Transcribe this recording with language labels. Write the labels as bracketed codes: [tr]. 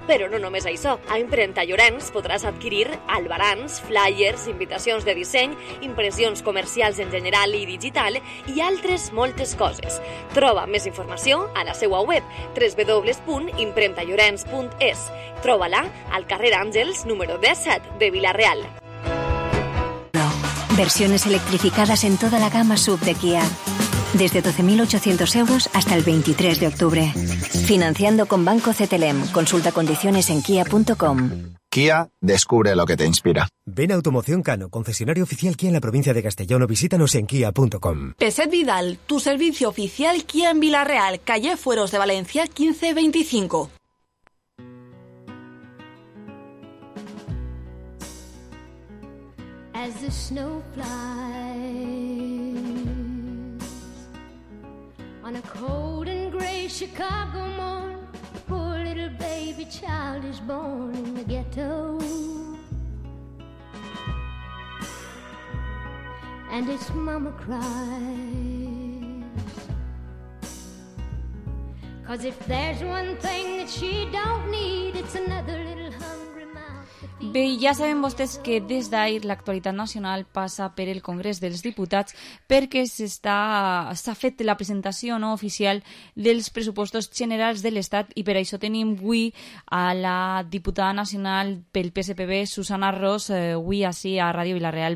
[ca] Però no només això. A Impremta Llorenç podràs adquirir albarans, flyers, invitacions de disseny, impressions comercials en general i digital i altres moltes coses. Troba més informació a la seva web www.impremtallorenç.es. Troba-la al carrer Àngels número 17 de Villarreal. [es] Versiones electrificades en tota la gama SUV de Kia. Desde 12.800 euros hasta el 23 de octubre. Financiando con Banco CTLM. Consulta condiciones en kia.com. Kia, descubre lo que te inspira. Ven a Automoción Cano, concesionario oficial Kia en la provincia de Castellón o visítanos en kia.com. Peset Vidal, tu servicio oficial Kia en Villarreal, calle Fueros de Valencia 1525. [en] As the snow flies on a cold and gray Chicago morn, poor little baby child is born in the ghetto. And its mama cries, 'cause if there's one thing that she don't need, it's another little hungry mouth. [ca] Bé, ja saben vostès que des d'ahir l'actualitat nacional passa per el Congrés dels Diputats perquè s'ha fet la presentació no oficial dels pressupostos generals de l'Estat i per això tenim avui a la diputada nacional pel PSPB, Susana Ros, avui així a Ràdio Villarreal.